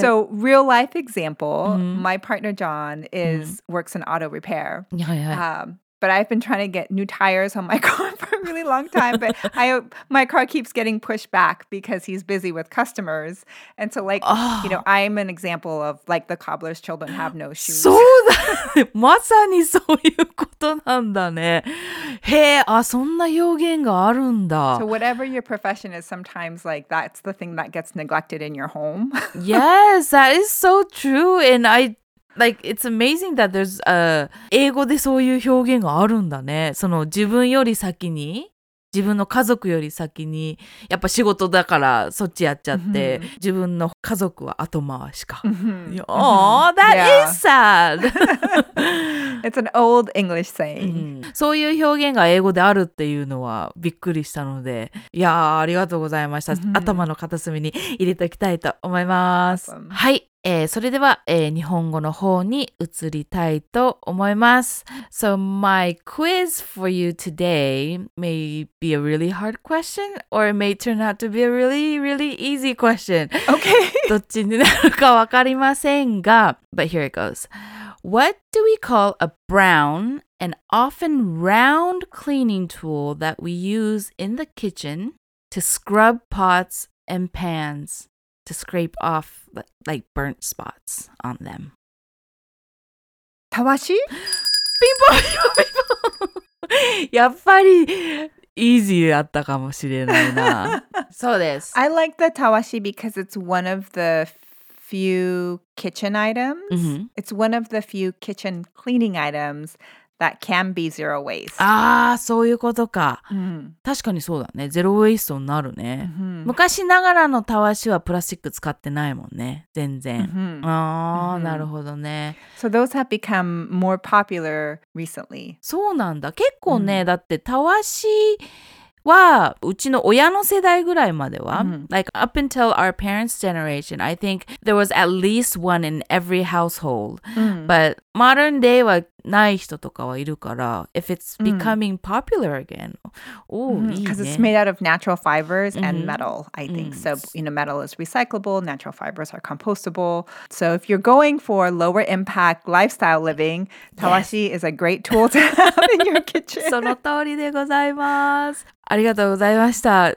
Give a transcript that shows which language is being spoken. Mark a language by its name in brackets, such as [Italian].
[English] So real life example, my partner John is works in auto repair. But I've been trying to get new tires on my car for a really long time, but my car keeps getting pushed back because he's busy with customers. And so like, you know, I'm an example of like the cobbler's children have no shoes. [Japanese] そうだね。まさにそういうことなんだね。へえ、あ、そんな表現があるんだ。 [English] So whatever your profession is, sometimes like that's the thing that gets neglected in your home. Yes, that is so true. And I... Like, it's amazing that there's a... [Japanese] 英語でそういう表現があるんだね。その自分より先に、自分の家族より先に、やっぱ仕事だからそっちやっちゃって、自分の家族は後回しか。 [English] Oh, that is sad! It's an old English saying. [Japanese] そういう表現が英語であるっていうのはびっくりしたので、いやー、ありがとうございました。頭の片隅に入れておきたいと思います。はい。それでは、日本語の方に移りたいと思います。 [English] So my quiz for you today may be a really hard question or it may turn out to be a really, really easy question. Okay. [Japanese] どっちになるかわかりませんが、 [English] But here it goes. What do we call a brown and often round cleaning tool that we use in the kitchen to scrub pots and pans? To scrape off like burnt spots on them. [Japanese] たわし? ピンポン、ピンポン。やっぱり、easy だったかもしれないな。そうです。 [English] I like the たわし because it's one of the few kitchen items. Mm-hmm. It's one of the few kitchen cleaning items that can be zero waste. [Japanese] ああ、そういうことか。Mm-hmm. 確かにそうだね。ゼロウェイストになるね。 Mm-hmm. 昔ながらのたわしはプラスチック使ってないもんね。全然。Mm-hmm. ああ、mm-hmm. なるほどね。 [English] So those have become more popular recently. [Japanese] そうなんだ。結構ね、mm-hmm. だってたわしはうちの親の世代ぐらいまでは、mm-hmm. [English] like up until our parents' generation, I think there was at least one in every household.、Mm-hmm. But modern day [Japanese] はない人とかはいるから、 [English] if it's becoming、mm-hmm. popular again, oh, mm-hmm. Because it's made out of natural fibers and、mm-hmm. metal, I think.、Mm-hmm. So, you know, metal is recyclable, natural fibers are compostable. So if you're going for lower impact lifestyle living, tawashi、yes. is a great tool to have in your kitchen. [Japanese] その通りでございます。ありがとうございました。